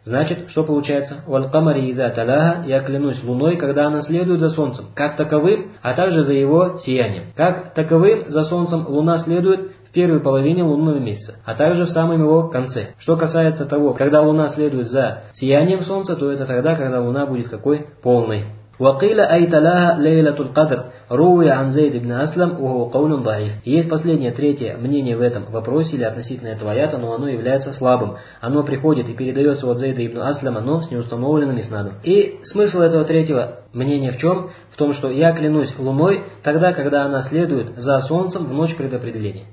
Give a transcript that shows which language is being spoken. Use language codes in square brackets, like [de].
[ru] Значит, что получается? [ar] «Валькамари иза таляха, [ru] я клянусь луной, когда она следует за солнцем, как таковым, а также за его сиянием». Как таковым за солнцем луна следует в первой половине лунного месяца, а также в самом его конце. Что касается того, когда луна следует за сиянием солнца, то это тогда, когда луна будет какой? Полной. [ar] وقيل أي تلاها ليلة القدر روي عن زيد بن أسلم وهو قول ضعيف. [ru] Есть последнее, третье мнение в этом вопросе или относительно этого аята, но оно является слабым. Оно приходит и передается от Зейда ибн Аслама, но с неустановленным иснадом. И смысл этого третьего мнения в чем? В том, что я клянусь луной тогда, когда она следует за солнцем в ночь предопределения.